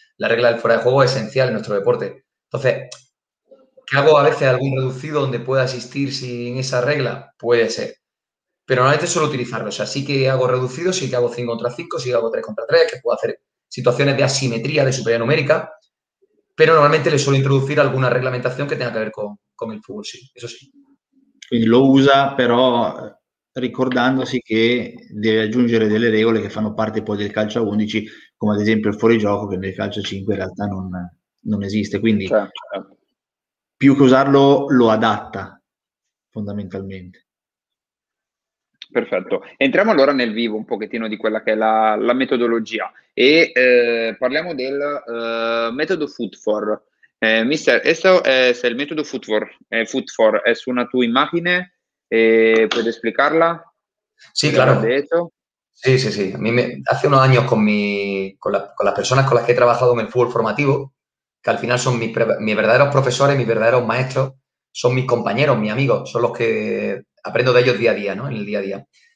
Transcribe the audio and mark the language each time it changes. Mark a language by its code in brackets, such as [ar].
[es] La regla del fuera de juego es esencial en nuestro deporte. Entonces, ¿qué hago a veces algún reducido donde pueda asistir sin esa regla? Puede ser. Pero normalmente suelo utilizarlo. O sea, sí que hago reducido, sí que hago 5 contra 5, sí que hago 3 contra 3, que puedo hacer situaciones de asimetría, de superioridad numérica, pero normalmente le suelo introducir alguna reglamentación que tenga que ver con el fútbol, sí. Eso sí. Y lo usa, pero [it] ricordandosi che deve aggiungere delle regole che fanno parte poi del calcio a 11, come ad esempio il fuorigioco, che nel calcio a 5 in realtà non esiste, quindi certo. Più che usarlo lo adatta fondamentalmente. Perfetto, entriamo allora nel vivo un pochettino di quella che è la metodologia e parliamo del metodo Footfor. Mister, questo è il metodo Footfor, è su una tua immagine. [es] ¿Puedes explicarla? Sí, claro. Sí. A mí hace unos años con las personas con las que he trabajado en el fútbol formativo, que al final son mis verdaderos profesores, mis verdaderos maestros, son mis compañeros, mis amigos, son los que aprendo de ellos día a día, ¿no? En el día a día.